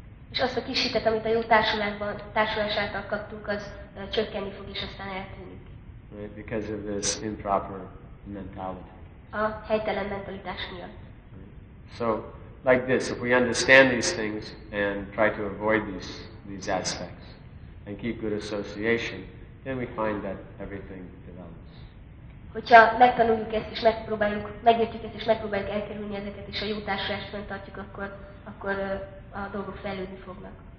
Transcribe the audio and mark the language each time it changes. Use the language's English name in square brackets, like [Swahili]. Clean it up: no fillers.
[Hungarian] És azt a kis hitet, amit a jó társulás által kaptunk, az csökkenni fog és aztán eltűnik. [English] Right, because of this improper mentality. [Hungarian] A helytelen mentalitás miatt. [English] So, like this, if we understand these things and try to avoid these aspects and keep good association, then we find that everything develops. [Hungarian] Hogyha megtanuljuk ezt és megpróbáljuk, megértjük ezt és megpróbáljuk elkerülni ezeket és a jó társulást fenntartjuk, akkor a dolgok fejlődni fognak.